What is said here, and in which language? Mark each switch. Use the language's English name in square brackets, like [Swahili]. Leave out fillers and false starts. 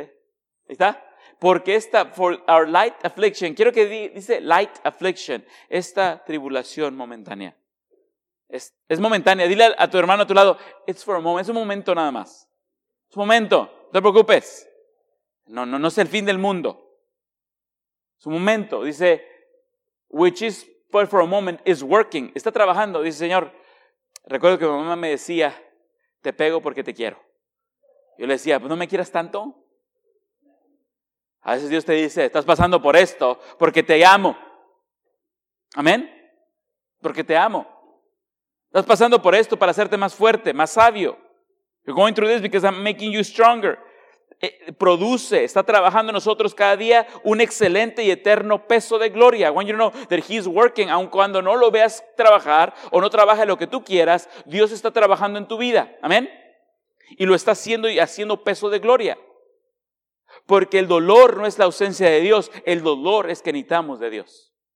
[Spanish] Ahí está. Porque esta, [English] for our light affliction, [Spanish] quiero que dice [English] light affliction, [Spanish] esta tribulación momentánea. Es momentánea. Dile a tu hermano a tu lado, [English] it's for a moment, [Spanish] es un momento nada más. Es un momento, no te preocupes. No es el fin del mundo. Su momento, dice, [English] which is for a moment, is working. [Spanish] Está trabajando, dice, Señor, recuerdo que mi mamá me decía, te pego porque te quiero. Yo le decía, pues no me quieras tanto. A veces Dios te dice, estás pasando por esto porque te amo. ¿Amén? Porque te amo. Estás pasando por esto para hacerte más fuerte, más sabio. [English] You're going through this because I'm making you stronger. [Spanish] Produce, está trabajando en nosotros cada día un excelente y eterno peso de gloria. [English] When you know that he's working, [Spanish] aun cuando no lo veas trabajar o no trabaje lo que tú quieras, Dios está trabajando en tu vida. Amén. Y lo está haciendo y haciendo peso de gloria. Porque el dolor no es la ausencia de Dios, el dolor es que necesitamos de Dios.